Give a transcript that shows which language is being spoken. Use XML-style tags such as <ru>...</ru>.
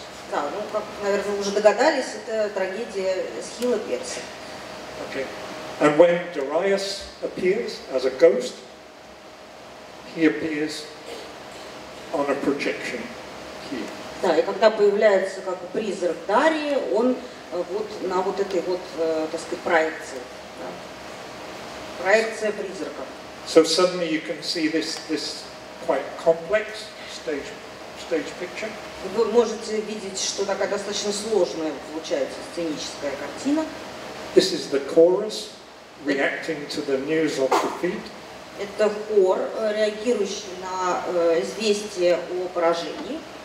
<ru>Да, ну, как, наверное, уже догадались, это трагедия Эсхила Перса.</ru> <en>Okay. And when Darius appears as a ghost, he appears on a projection here.</en> <ru>Да, и когда появляется как призрак Дарии, он вот на вот этой вот, так сказать, проекции. Да? Проекция призрака.</ru> <en>So suddenly you can see this quite complex stage picture.</en> <ru>Вы можете видеть, что такая достаточно сложная получается сценическая картина.</ru> <en>This is the chorus reacting to the news of defeat.</en> <ru>Это хор, реагирующий на известие о поражении.</ru>